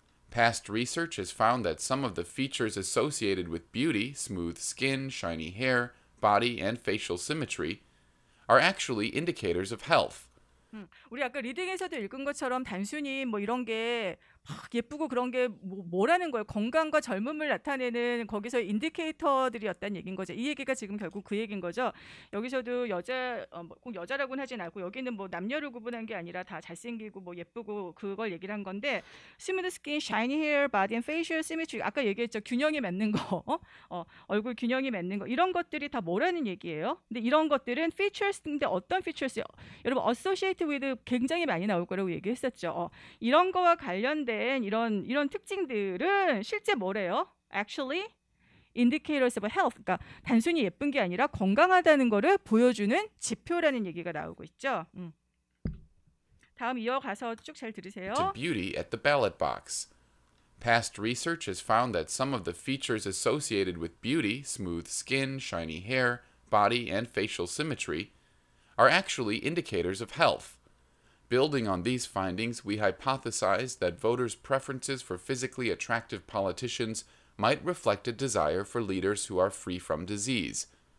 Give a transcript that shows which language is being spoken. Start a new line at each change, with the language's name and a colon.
English: Past research has found that some of the features associated with beauty, smooth skin, shiny hair, body, and facial symmetry are actually indicators of health.
Korean: 우리 아까 리딩에서도 읽은 것처럼 단순히 뭐 이런 게 막 예쁘고 그런 게 뭐라는 거예요. 건강과 젊음을 나타내는 거기서 인디케이터들이었다는 얘기인 거죠. 이 얘기가 지금 결국 그 얘기인 거죠. 여기서도 꼭 여자라고는 하진 않고 여기는 뭐 남녀를 구분한 게 아니라 다 잘생기고 뭐 예쁘고 그걸 얘기를 한 건데
English: smooth skin, shiny hair, body and facial symmetry
Korean: 아까 얘기했죠. 균형이 맞는 거 얼굴 균형이 맞는 거 이런 것들이 다 뭐라는 얘기예요? 근데 이런 것들은 features인데 어떤 features요? 여러분
English: associate with
Korean: 굉장히 많이 나올 거라고 얘기했었죠. 이런 거와 관련된 된 이런 특징들은 실제 뭐래요?
English: Actually, indicators of health.
Korean: 그러니까 단순히 예쁜 게 아니라 건강하다는 거를 보여주는 지표라는 얘기가 나오고 있죠. 다음 이어가서 쭉 잘 들으세요.
English: To beauty at the ballot box. Past research has found that some of the features associated with beauty, smooth skin, shiny hair, body, and facial symmetry, are actually indicators of health. Building on these findings, we hypothesize that voters' preferences for physically attractive politicians might reflect a desire for leaders who are free from disease.